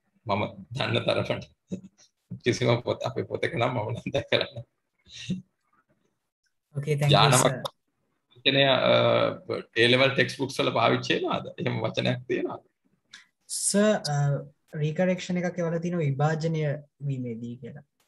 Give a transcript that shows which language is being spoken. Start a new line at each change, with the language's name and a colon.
Sinhala: මම දන්න තරමට කිසිම පොත අපේ පොතක නම් මම නම් දැකලා නැහැ.
English: Okay, thank you.
Sinhala: කියන්නේ A level text books වල පාවිච්චි වෙනවද? එහෙම වචනයක් තියෙනවද? Sir, recorrection එකක් ඒවල තියෙන විභාජනය වීමේදී කියලා.